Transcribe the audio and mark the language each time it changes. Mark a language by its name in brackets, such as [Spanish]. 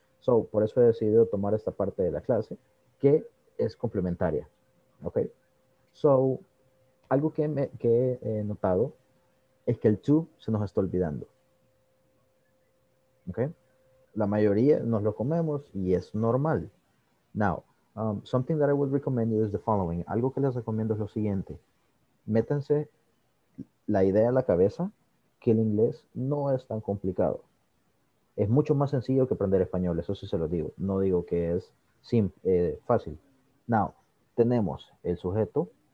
[Spanish] So, por eso he decidido tomar esta parte de la clase que es complementaria. Okay? So, algo que he notado es que el to se nos está olvidando. Okay? La mayoría nos lo comemos y es normal. [English] Now, something that I would recommend you is the following. [Spanish] Algo que les recomiendo es lo siguiente. Métanse la idea en la cabeza que el inglés no es tan complicado. Es mucho más sencillo que aprender español. Eso sí se lo digo. No digo que es fácil. Now, tenemos el sujeto,